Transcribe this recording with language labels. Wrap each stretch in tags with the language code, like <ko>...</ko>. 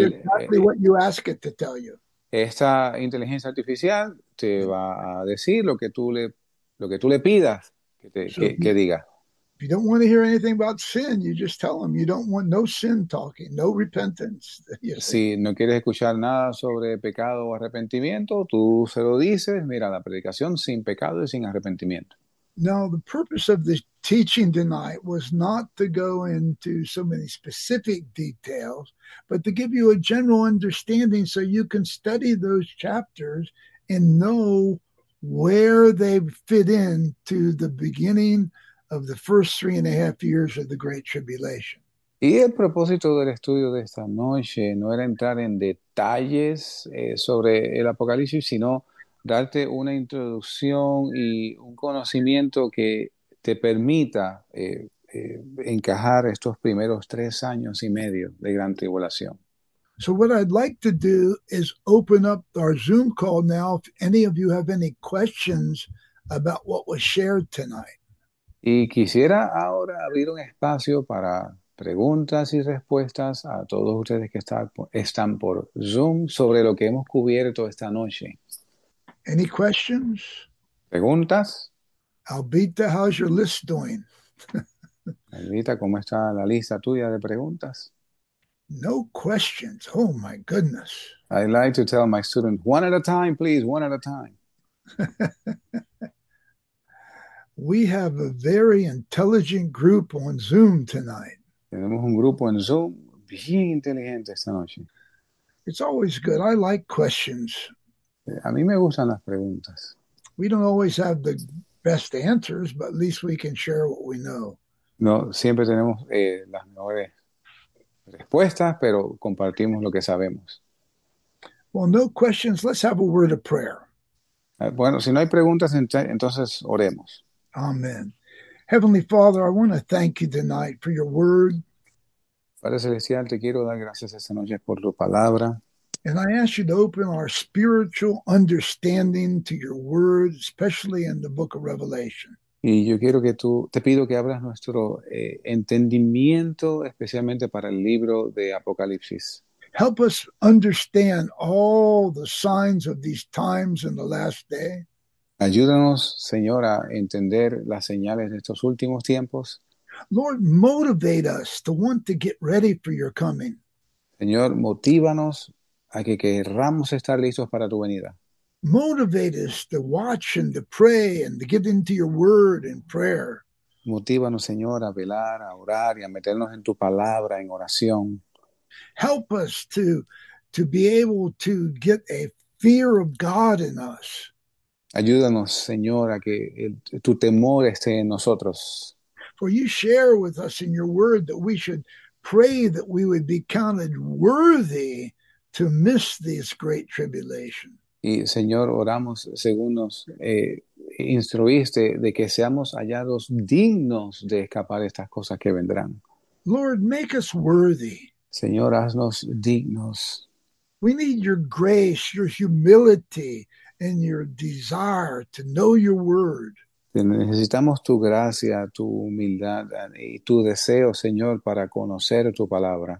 <en>you exactly what you ask it to tell you.</en> <es>esta inteligencia artificial te va a decir lo que tú le pidas</es> <en>So</en> <es>que diga.</es> <en>if you don't want to hear anything about sin, you just tell them you don't want no sin talking, no repentance.</en> <es>Si no quieres escuchar nada sobre pecado o arrepentimiento, tú se lo dices, mira, la predicación sin pecado y sin arrepentimiento.</es> <en>Now, the purpose of the teaching tonight was not to go into so many specific details, but to give you a general understanding so you can study those chapters and know where they fit in to the beginning of the first 3.5 years of the Great Tribulation.</en> <es>Y el propósito del estudio de esta noche no era entrar en detalles sobre el Apocalipsis, sino darte una introducción y un conocimiento que te permita encajar estos primeros 3 años y medio de gran tribulación.</es> <en>So what I'd like to do is open up our Zoom call now if any of you have any questions about what was shared tonight.</en> <es>Y quisiera ahora abrir un espacio para preguntas y respuestas a todos ustedes que están por Zoom sobre lo que hemos cubierto esta noche.</es> <en>Any questions?</en> <es>¿Preguntas?</es> <en>Albita, how's your list doing?</en> <es>Alvita, ¿cómo está la lista tuya de preguntas?</es> <en>No questions. Oh my goodness. I like to tell my students, one at a time, please, one at a time. We have a very intelligent group on Zoom tonight.</en> <es>Tenemos un grupo en Zoom bien inteligente esta noche.</es> <en>It's always good. I like questions.</en> <es>A mí me gustan las preguntas.</es> <en>We don't always have the best answers, but at least we can share what we know.</en> <es>No siempre tenemos las mejores respuestas, pero compartimos lo que sabemos.</es> <en>Well, no questions. Let's have a word of prayer.</en> <es>Bueno, si no hay preguntas, entonces oremos.</es> <en>Amen. Heavenly Father, I want to thank you tonight for your word.</en> <es>Padre Celestial, te quiero dar gracias esta noche por tu palabra.</es> <en>And I ask you to open our spiritual understanding to your word, especially in the book of Revelation.</en> <es>Y yo quiero que tú, te pido que abras nuestro entendimiento, especialmente para el libro de Apocalipsis.</es> <en>Help us understand all the signs of these times in the last day.</en> <es>Ayúdanos, Señor, a entender las señales de estos últimos tiempos.</es> <en>Lord, motivate us to want to get ready for your coming.</en> <es>Señor, motívanos a que querramos estar listos para tu venida.</es> <en>Motivate us to watch and to pray and to get into your word and prayer.</en> <es>Motívanos, Señor, a velar, a orar y a meternos en tu palabra, en oración.</es> <en>Help us to be able to get a fear of God in us.</en> <es>Ayúdanos, Señor, a que tu temor esté en nosotros.</es> <en>For you share with us in your word that we should pray that we would be counted worthy to miss this great tribulation.</en> <es>Y Señor, oramos según nos instruiste de que seamos hallados dignos de escapar de estas cosas que vendrán.</es> <en>Lord, make us worthy.</en> <es>Señor, haznos dignos.</es> <en>We need your grace, your humility, and your desire to know your word.</en> <es>Necesitamos tu gracia, tu humildad y tu deseo, Señor, para conocer tu palabra.</es>